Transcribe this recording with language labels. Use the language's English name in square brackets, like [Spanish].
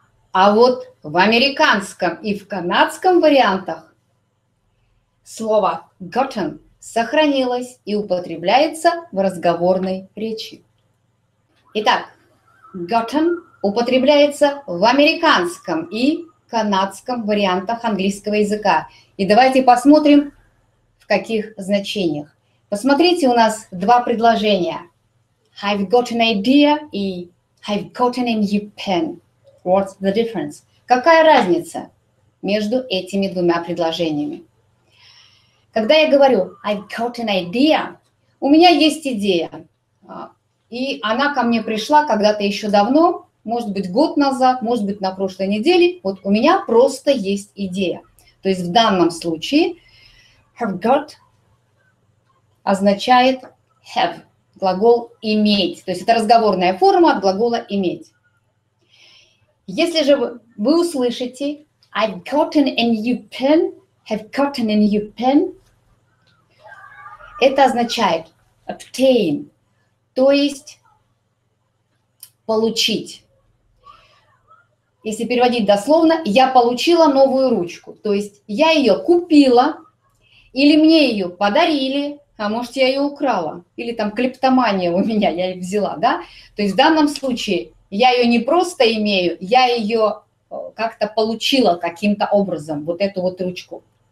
[Russian] А вот в американском и в канадском вариантах слово gotten сохранилось и употребляется в разговорной речи. Итак, gotten употребляется в американском и канадском вариантах английского языка. И давайте посмотрим, в каких значениях. Посмотрите, у нас два предложения. [English] I've got an idea и I've got a new pen. What's the difference? [Russian] Какая разница между этими двумя предложениями? Когда я говорю [English] I've got an idea, [Russian] у меня есть идея. И она ко мне пришла когда-то еще давно, может быть, год назад, может быть, на прошлой неделе. Вот у меня просто есть идея. То есть в данном случае have got означает have, глагол иметь. То есть это разговорная форма от глагола иметь. Если же вы услышите [English] I've gotten a new pen, [Russian] have gotten a new pen, это означает obtain, то есть получить. Если переводить дословно, я получила новую ручку. То есть я ее купила или мне ее подарили, а может я ее украла. Или там клептомания у меня, я ее взяла, да? То есть в данном случае я ее не просто имею, я ее как-то получила каким-то образом, вот эту вот ручку.